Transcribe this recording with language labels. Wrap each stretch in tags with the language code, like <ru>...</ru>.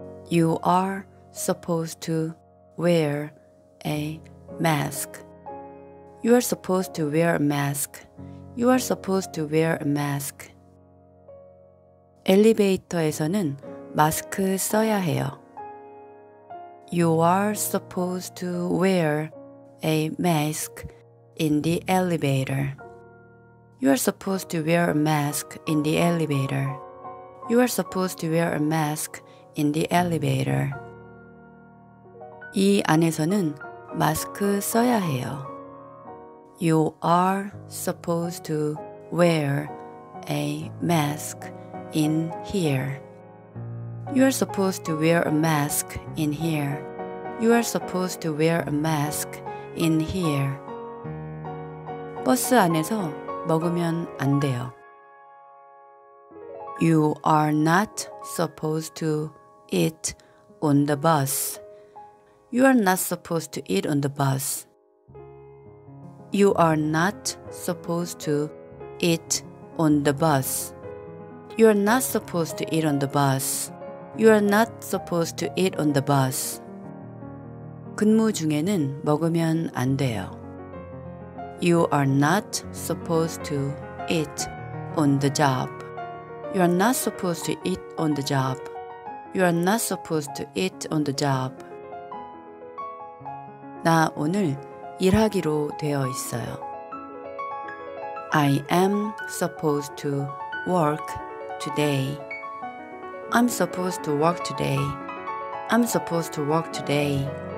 <en>You are supposed to wear a mask. You are supposed to wear a mask. You are supposed to wear a mask.</en> <ko>엘리베이터에서는 마스크 써야 해요.</ko> <en>You are supposed to wear a mask in the elevator. You are supposed to wear a mask in the elevator. You are supposed to wear a mask in the elevator.</en> <ko>이 안에서는 마스크 써야 해요.</ko> <en>You are supposed to wear a mask in here. You are supposed to wear a mask in here. You are supposed to wear a mask in here.</en> <ko>버스 안에서 먹으면 안 돼요.</ko> <en>You are not supposed to eat on the bus. You are not supposed to eat on the bus. You are not supposed to eat on the bus. You are not supposed to eat on the bus. You are not supposed to eat on the bus.</en> <ko>근무 중에는 먹으면 안 돼요.</ko> <en>You are not supposed to eat on the job. You are not supposed to eat on the job. You are not supposed to eat on the job.</en> <ko>나 오늘 일하기로 되어 있어요.</ko> <en>I am supposed to work today. I'm supposed to work today. I'm supposed to work today.</en>